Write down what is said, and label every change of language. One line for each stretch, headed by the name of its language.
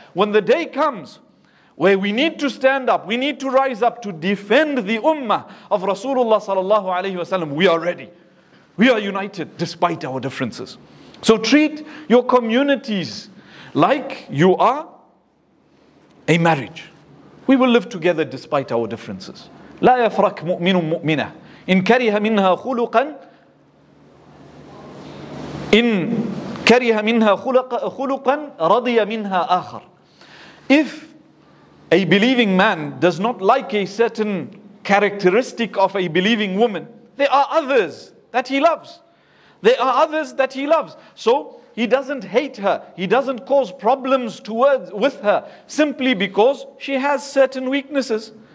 English: When the day comes where we need to stand up, we need to rise up to defend the ummah of Rasulullah sallallahu alayhi wa sallam, we are ready. We are united despite our differences. So treat your communities like you are a marriage. We will live together despite our differences.
Arabic: لا يفرق مؤمن مؤمنة إن كره منها خلقا إن كره منها خلقا رضي منها آخر.
English: If a believing man does not like a certain characteristic of a believing woman, there are others that he loves. There are others that he loves. So he doesn't hate her. He doesn't cause problems with her simply because she has certain weaknesses.